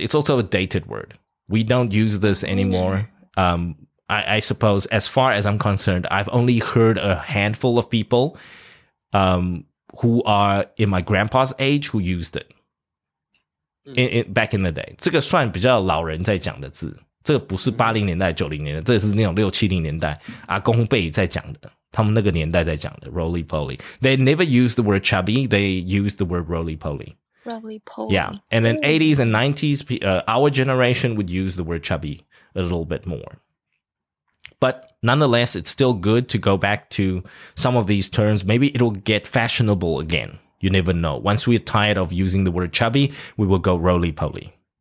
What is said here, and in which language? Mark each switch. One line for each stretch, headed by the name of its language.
English: It's also a dated word. We don't use this anymore. I suppose, as far as I'm concerned, I've only heard a handful of people who are in my grandpa's age who used it back in the day.
Chinese: 这个算比较老人在讲的字，这个不是80年代、90年代，这是那种六七零年代阿公辈在讲的，他们那个年代在讲的 roly-poly.
English: They never used the word chubby, they used the word roly-poly. Yeah, and then 80s and 90s, our generation would use the word chubby a little bit more. But nonetheless, it's still good to go back to some of these terms. Maybe it'll get fashionable again. You never know. Once we're tired of using the word chubby, we will go roly-poly.